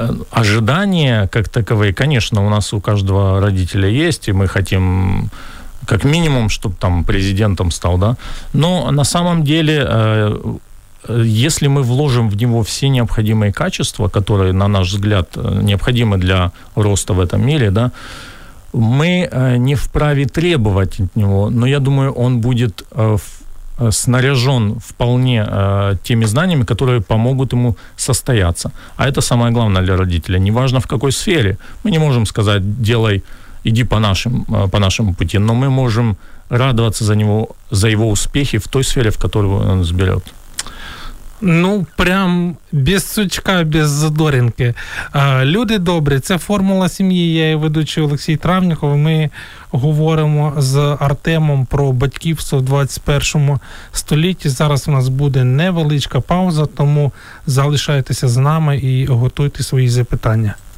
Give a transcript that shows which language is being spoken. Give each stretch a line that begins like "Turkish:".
Ukrainian: Ожидання, як такові, звісно, у нас у кожного родителя є, і ми хочемо...
Russian: как минимум, чтобы там президентом стал, да. Но на самом деле, если мы вложим в него все необходимые качества, которые, на наш взгляд, необходимы для роста в этом мире, да, мы не вправе требовать от него, но я думаю, он будет снаряжен вполне теми знаниями, которые помогут ему состояться. А это самое главное для родителя. Неважно, в какой сфере. Мы не можем сказать, делай... иди по нашему пути, но мы можем радоваться за него, за его успехи в той сфере, в которую он заберет. Прям без сучка, без задоринки.
Ukrainian: Люди добрі, це «Формула сім'ї», я її ведучий Олексій Травніков. Ми говоримо з Артемом про батьківство в 21 столітті. Зараз у нас буде невеличка пауза, тому залишайтеся з нами і готуйте свої запитання.